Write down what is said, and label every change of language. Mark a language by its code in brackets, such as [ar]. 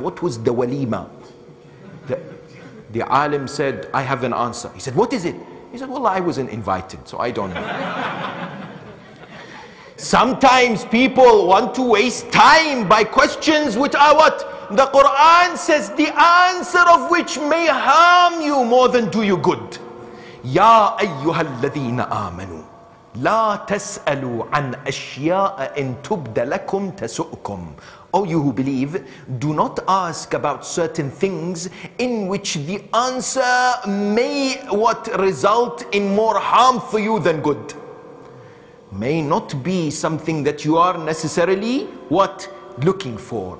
[en] What was the walima? The alim said, I have an answer. He said, what is it? He said, well, I wasn't invited, so I don't know. Sometimes people want to waste time by questions which are what? The Quran says, the answer of which may harm you more than do you good. [ar] يا أيها الذين آمنوا لا تسألوا عن أشياء إن تبد لكم تسؤكم. [en] O you who believe, do not ask about certain things in which the answer may what result in more harm for you than good. May not be something that you are necessarily what looking for.